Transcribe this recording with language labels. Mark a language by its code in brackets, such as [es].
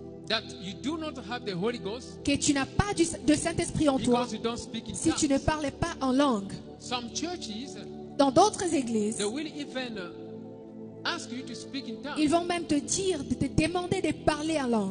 [en] that you do not have the Holy Ghost [fr] que tu n'as pas de Saint-Esprit en toi [en] you don't speak in [fr] si tu ne parlais pas en langue. [en] Some churches, [fr] dans d'autres églises, [en] they will even ask you to speak in tongues. [fr] Ils vont même te dire, te demander de parler en langue.